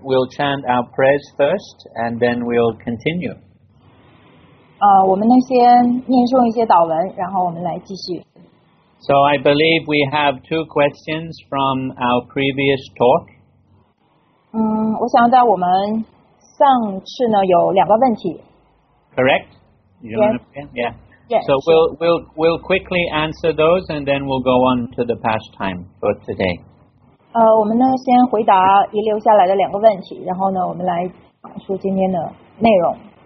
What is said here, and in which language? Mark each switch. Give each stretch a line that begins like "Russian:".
English: We'll chant our prayers first, and then we'll continue.
Chinese: 我们能先念诵一些祷文，然后我们来继续。
English: So I believe we have two questions from our previous talk.
Chinese: 我想在我们上次呢有两个问题。
English: Correct. You want to begin? Yeah. Yes. So we'll quickly answer those, and then we'll go on to the pastime for today.
Chinese: 我们呢先回答遗留下来的两个问题，然后呢我们来讲述今天的内容。